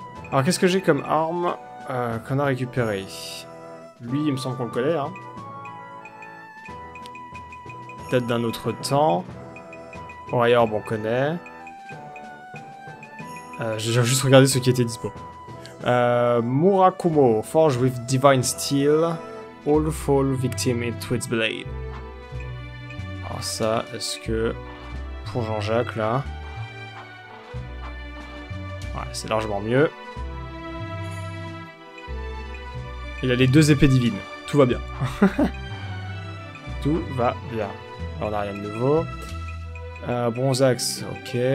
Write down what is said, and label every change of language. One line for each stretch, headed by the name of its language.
French: Alors qu'est-ce que j'ai comme arme qu'on a récupéré? Lui, il me semble qu'on le connaît. Hein. Peut-être d'un autre temps. Warrior, bon, on connaît. J'ai juste regardé ce qui était dispo.
English: Murakumo, forge with divine steel. All fall victim into its blade.
French: Alors ça, est-ce que pour Jean-Jacques là, ouais, c'est largement mieux. Il a les deux épées divines. Tout va bien. Tout va bien. Alors on a rien de nouveau. Bronzaxe, ok.